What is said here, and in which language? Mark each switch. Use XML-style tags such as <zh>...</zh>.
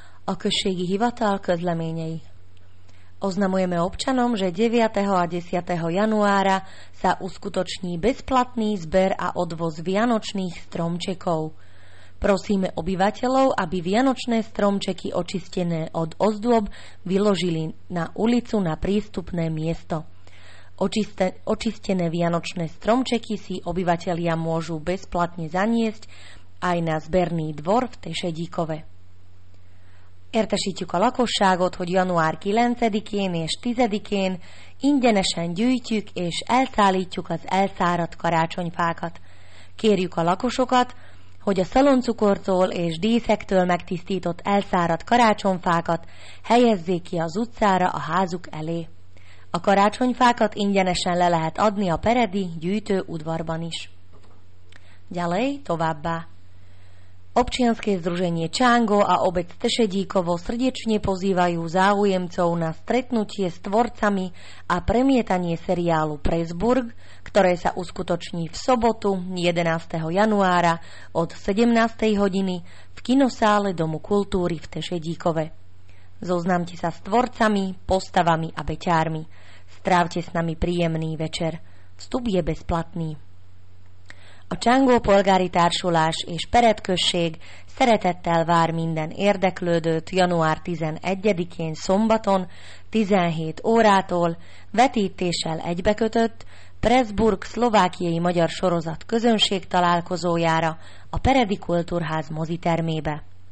<hu>Okršík Hivatal Közleményei.</hu> <sk>Oznamujeme občanom, že 9. a 10. januára sa uskutoční bezplatný zber a odvoz vianočných stromčekov. Prosíme obyvateľov, aby vianočné stromčeky očistené od ozdôb vyložili na ulicu na prístupné miesto. Očistené vianočné stromčeky si obyvateľia môžu bezplatne zaniesť aj na zberný dvor v Tešedíkove.</sk> <hu>Értesítjük a lakosságot, hogy január 9-én és 10-én ingyenesen gyűjtjük és elszállítjuk az elszáradt karácsonyfákat. Kérjük a lakosokat, hogy a szaloncukortól és díszektől megtisztított elszáradt karácsonyfákat helyezzék ki az utcára a házuk elé. A karácsonyfákat ingyenesen le lehet adni a peredi gyűjtő udvarban is. Gyalej továbbá!</hu> <sk>Občianske združenie Čango a obec Tešedíkovo srdečne pozývajú záujemcov na stretnutie s tvorcami a premietanie seriálu Presburg, ktoré sa uskutoční v sobotu 11. januára od 17. hodiny v kinosále Domu kultúry v Tešedíkove. Zoznámte sa s tvorcami, postavami a beťármi. Strávte s nami príjemný večer. Vstup je bezplatný.</sk> <hu>A Csángó Polgári Társulás és Peredközség szeretettel vár minden érdeklődőt január 11-én szombaton 17 órától vetítéssel egybekötött Presburg szlovákiai magyar sorozat közönség találkozójára a Peredi Kultúrház mozitermébe.</hu>